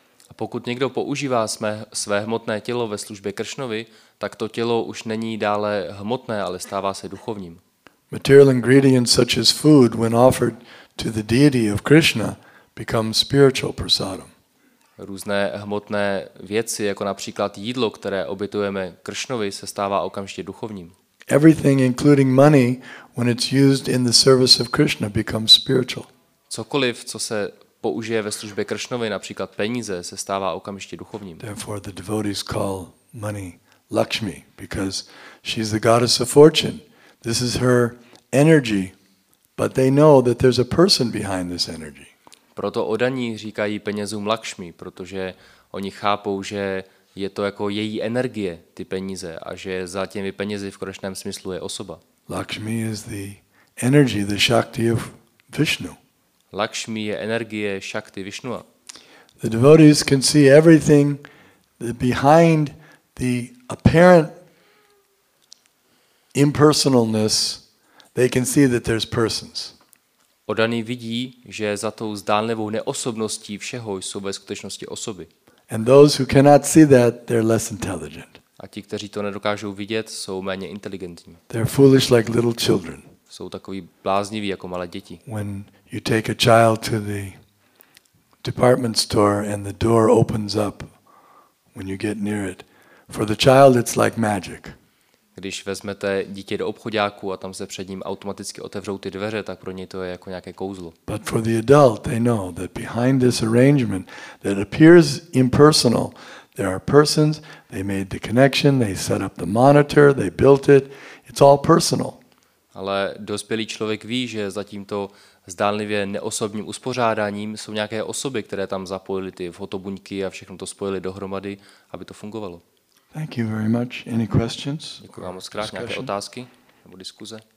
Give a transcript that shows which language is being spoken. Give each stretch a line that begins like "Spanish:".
Czech: A pokud někdo používá své hmotné tělo ve službě Krishnovi, tak to tělo už není dále hmotné, ale stává se duchovním.
English: Material ingredients such as food, when offered to the deity of Krishna, become spiritual prasadam.
Czech: Různé hmotné věci, jako například jídlo, které obětujeme Krishnovi, se stává okamžitě duchovním.
English: Everything including money when it's used in the service of Krishna becomes spiritual.
Czech: Cokoliv, co se použije ve službě Krishnovi, například peníze, se stává okamžitě duchovním.
English: Therefore the devotees call money Lakshmi because she's the goddess of fortune. This is her energy, but they know that there's a person behind this energy.
Czech: Proto o daní říkají penězům Lakshmi, protože oni chápou, že je to jako její energie, ty peníze, a že za těmi penězi v konečném smyslu je osoba.
English: Lakshmi is the energy, the Shakti of Vishnu.
Czech: Lakshmi je energie Shakti Vishnua.
English: The devotees can see everything behind the apparent impersonalness. They can see that there's persons.
Czech: Odaný vidí, že za tou zdánlivou neosobností všeho jsou ve skutečnosti osoby.
English: And those who cannot see that, they're less intelligent.
Czech: A ti, kteří to nedokážou vidět, jsou méně inteligentní.
English: They're foolish like little children.
Czech: Jsou takový blázniví jako malé děti.
English: When you take a child to the department store and the door opens up when you get near it, for the child it's like magic.
Czech: Když vezmete dítě do obchoďáku a tam se před ním automaticky otevřou ty dveře, tak pro něj to je jako nějaké kouzlo.
English: But for the adult, they know that behind this arrangement that appears impersonal, there are persons, they made the connection, they set up the monitor, they built it, it's all personal.
Czech: Ale dospělý člověk ví, že za tímto zdánlivě neosobním uspořádáním jsou nějaké osoby, které tam zapojili ty fotobuňky a všechno to spojili dohromady, aby to fungovalo.
English: Thank you very much. Any questions?
Czech: Děkuji vám moc krát. Nějaké otázky nebo diskuze?